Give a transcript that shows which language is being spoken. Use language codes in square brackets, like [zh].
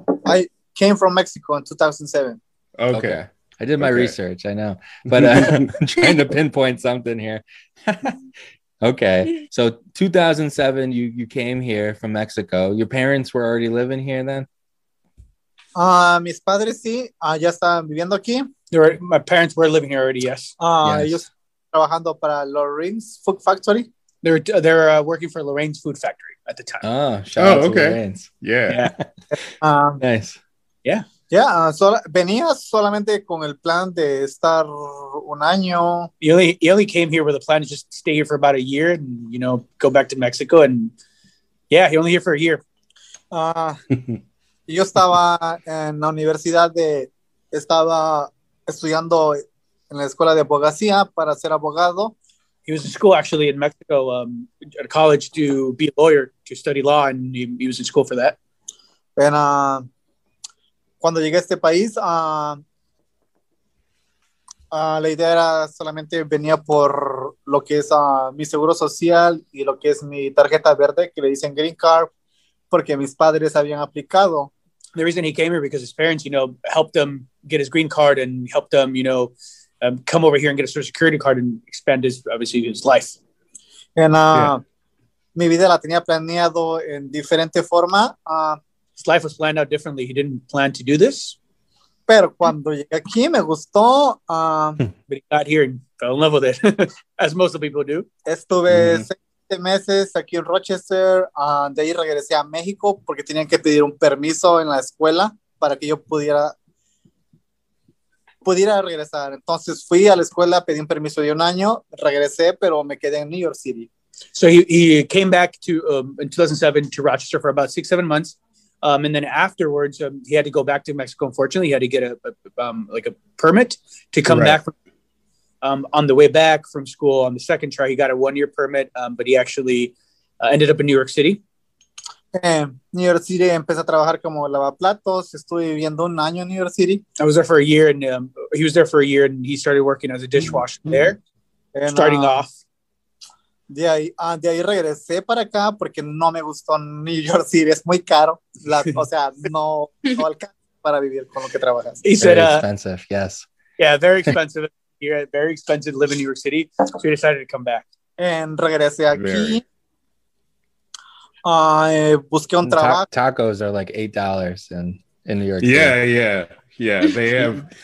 [en] I came from Mexico in 2007. Okay. I did my research, I know. But I'm trying to pinpoint something here. Okay. So 2007, you came here from Mexico. Your parents were already living here then? [es] Mis padres sí, ya estaban viviendo aquí. [en] My parents were living here already, yes. [es] Ellos trabajando para Lorraine's Food Factory. [en] They're working for Lorraine's Food Factory at the time. Shout out to Lorraine's. Yeah. Nice. Yeah. Yeah. [es] Venía solamente con el plan de estar un año. [en] He only came here with a plan to just stay here for about a year and, you know, go back to Mexico. And yeah, he only here for a year. [es] yo estaba en la universidad estaba estudiando en la escuela de abogacía para ser abogado. [en] He was in school actually in Mexico, at a college to be a lawyer, to study law, and he was in school for that. And [es] cuando llegué a este país, la idea era solamente venía por lo que es mi seguro social y lo que es mi tarjeta verde, que le dicen [en] green card, [es] porque mis padres habían aplicado. [en] The reason he came here because his parents, you know, helped him get his green card and helped him, you know, come over here and get a social security card and expand his life. And [es] mi vida la tenía planeado en diferente forma. [en] His life was planned out differently. He didn't plan to do this. [es] Pero cuando llegué aquí, me gustó. [en] But he got here and fell in love with it, as most of the people do. [es] Estuve 7 meses aquí en Rochester. De ahí regresé a México porque tenían que pedir un permiso en la escuela para que yo pudiera regresar. Entonces fui a la escuela, pedí un permiso de un año, regresé, pero me quedé en New York City. [en] So he came back to in 2007 to Rochester for about 6-7 months. And then afterwards, he had to go back to Mexico. Unfortunately, he had to get a permit to come back. On the way back from school, on the second try, he got a 1-year permit, but he actually ended up in New York City. [es] New York City, empecé a trabajar como lavaplatos. Estuve viviendo un año en New York City. [en] I was there for a year, and he was there for a year, and he started working as a dishwasher there, starting off. [es] De ahí regresé para acá porque no me gustó New York City. Es muy caro. no alcanza para vivir con lo que trabajas. [en] He said, very expensive, yes. Yeah, very expensive. You're very expensive to live in New York City. So you decided to come back. And [es] regresé aquí. Busqué un trabajo. [en] Tacos are like $8 in New York City. Yeah, yeah. Yeah, they have